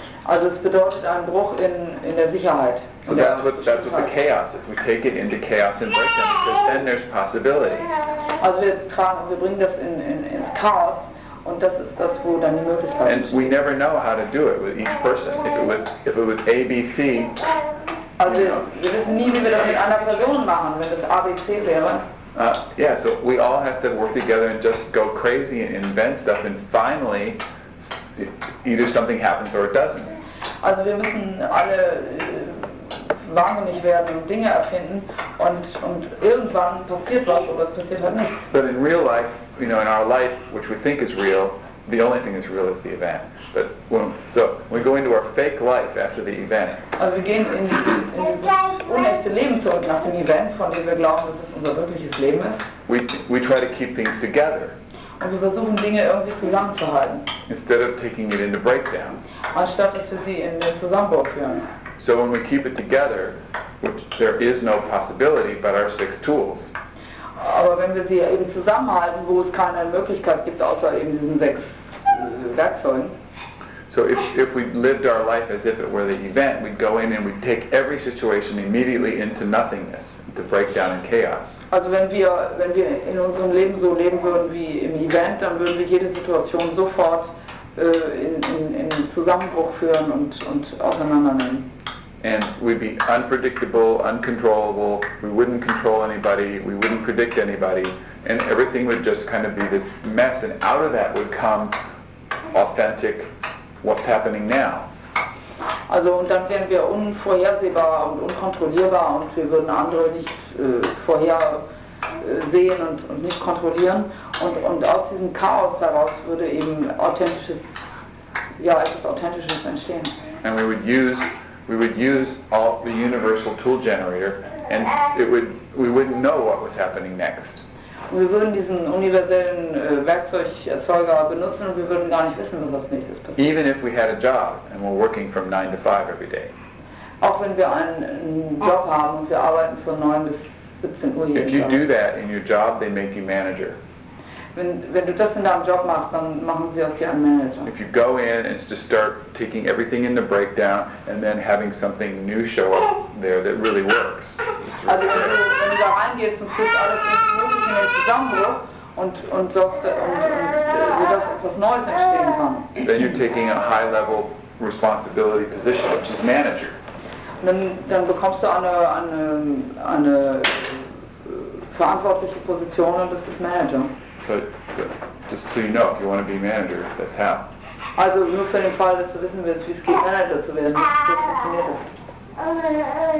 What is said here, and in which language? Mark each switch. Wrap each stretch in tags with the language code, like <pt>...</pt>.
<de>Also es bedeutet ein Bruch in der Sicherheit.</de> <en>So that's what the chaos is. We take it into chaos and break it, because then there's possibility.</en> <de>Also wir bringen das ins Chaos, und das ist das, wo dann die Möglichkeit ist.</de> <en>And we never know how to do it with each person. If it was A, B, C.</en> <de>Also wir wissen nie, wie wir das mit einer Person machen, wenn das A, B, C wäre.</de> <en>Yeah, so we all have to work together and just go crazy and invent stuff, and finally, either something happens or it doesn't.</en> <de>Also wir müssen alle wahnsinnig werden und Dinge erfinden, und irgendwann passiert was oder es passiert halt nichts.</de> <en>But in real life, you know, in our life, which we think is real, the only thing that's real is the event. But so we go into our fake life after the event.</en> <de>Also wir gehen in dieses unechte Leben zurück nach dem Event, von dem wir glauben, dass es unser wirkliches Leben ist.</de> <en>We try to keep things together.</en> <de>Und wir versuchen Dinge irgendwie zusammenzuhalten.</de> <en>Instead of taking it into breakdown.</en> <de>Anstatt dass wir sie in den Zusammenbruch führen.</de> <en>So when we keep it together, which there is no possibility but our six tools.</en> <de>Aber wenn wir sie eben zusammenhalten, wo es keine Möglichkeit gibt, außer eben diesen sechs Werkzeugen.</de> <en>So if we lived our life as if it were the event, we'd go in and we'd take every situation immediately into nothingness, into breakdown and chaos.</en> <de>Also wenn wir in unserem Leben so leben würden wie im Event, dann würden wir jede Situation sofort in Zusammenbruch führen und auseinandernehmen.</de> <en>And we'd be unpredictable, uncontrollable, we wouldn't control anybody, we wouldn't predict anybody, and everything would just kind of be this mess, and out of that would come authentic what's happening now.</en> <de>Also und dann wären wir unvorhersehbar und unkontrollierbar, und wir würden andere nicht vorhersehen und nicht kontrollieren, und aus diesem Chaos heraus würde eben etwas Authentisches entstehen.</de> <en>And we would use all the universal tool generator, and we wouldn't know what was happening next.</en> <de>Wir würden diesen universellen Werkzeugerzeuger benutzen, und wir würden gar nicht wissen, was als nächstes passiert.</de> <en>Even if we had a job and we're working from 9 to 5 every day.</en> <de>Auch wenn wir einen Job haben und wir arbeiten von 9 bis 17 Uhr jeden Tag.</de> <en>If you do that in your job, they make you manager.</en> <de>Wenn du das in deinem Job machst, dann machen sie aus dir einen Manager.</de> <en>If you go in and just start taking everything in the breakdown and then having something new show up there that really works.</en> <de>Also wenn du da reingehst und führst alles in den Zusammenbruch und sorgst, und dass etwas Neues entstehen kann.</de> <en>Then you're taking a high level responsibility position, which is manager.</en> <de>Dann bekommst du eine verantwortliche Position, und das ist Manager.</de> <en>So just so you know, if you want to be manager, that's how.</en> <de>Also nur für den Fall, dass du wissen willst, wie es geht, Manager zu werden, wie es funktioniert ist.</de>